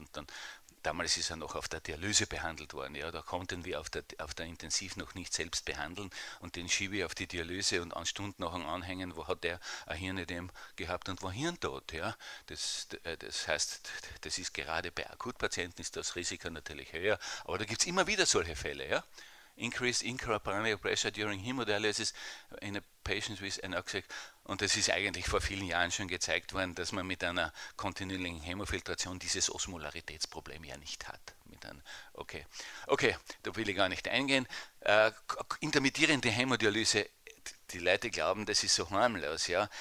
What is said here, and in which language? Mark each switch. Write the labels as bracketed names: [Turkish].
[German] Und dann, damals ist er noch auf der Dialyse behandelt worden. Ja. Da konnten wir auf der Intensiv noch nicht selbst behandeln und den schiebe ich auf die Dialyse und an Stunden noch anhängen, wo hat der ein Hirnödem gehabt und war hirntot. Ja. Das heißt, das ist gerade bei Akutpatienten ist das Risiko natürlich höher, aber da gibt es immer wieder solche Fälle. Ja. [English] Increased intracranial pressure during hemodialysis in a patient with anoxic. [German] Und das ist eigentlich vor vielen Jahren schon gezeigt worden, dass man mit einer kontinuierlichen Hämofiltration dieses Osmolaritätsproblem ja nicht hat. Okay, da will ich gar nicht eingehen. Intermittierende Hämodialyse, die Leute glauben, das ist so harmlos, ja.